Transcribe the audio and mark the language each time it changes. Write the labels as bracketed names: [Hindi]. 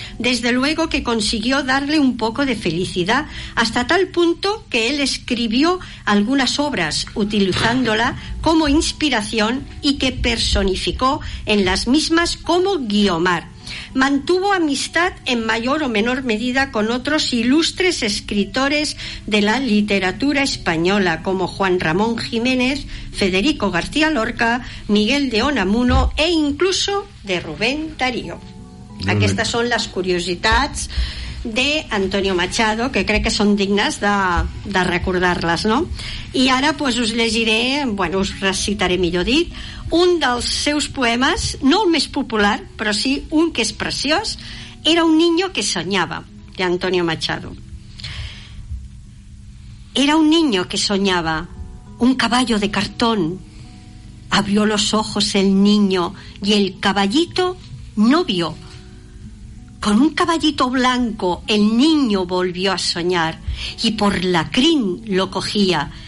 [Spanish] Desde luego que consiguió darle un poco de felicidad, hasta tal punto que él escribió algunas obras utilizándola como inspiración y que personificó en las mismas como Guiomar. Mantuvo amistad en mayor o menor medida con otros ilustres escritores de la literatura española, como Juan Ramón Jiménez, Federico García Lorca, Miguel de Unamuno e incluso de Rubén Darío. [Catalan] Aquestes són les curiositats de Antonio Machado, que crec que són dignes de recordar-les, no? I ara pues, us llegiré, bueno, us recitaré, millor dit, un dels seus poemes, no el més popular, però sí un que és preciós. [Spanish] Era un niño que soñaba, de Antonio Machado. Era un niño que soñaba, un caballo de cartón. Abrió los ojos el niño y el caballito no vio. Con un caballito blanco el niño volvió a soñar y por la crin lo cogía.